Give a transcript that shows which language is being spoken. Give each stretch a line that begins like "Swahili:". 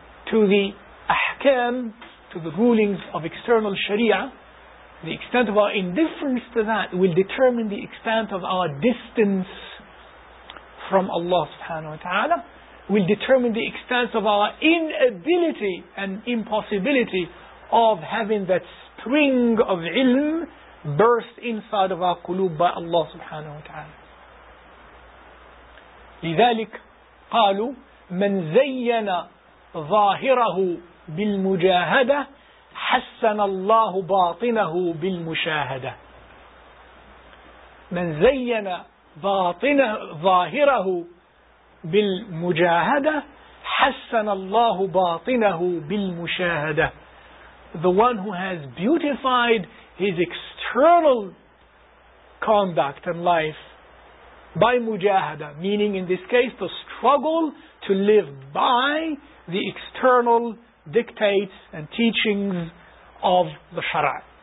English: to the ahkam, to the rulings of external sharia, the extent of our indifference to that will determine the extent of our distance from Allah subhanahu wa ta'ala, will determine the extent of our inability and impossibility of having that spring of ilm burst inside of our qulub by Allah subhanahu wa ta'ala.
Arabic: لذلك قالوا من زين ظاهره بالمجاهدة حسن الله باطنه بالمشاهدة. من زين ظاهره بالمجاهدة حسن الله باطنه بالمشاهدة.
English: The one who has beautified his external conduct and life by mujahada, meaning in this case the struggle to live by the external dictates and teachings of the shara'.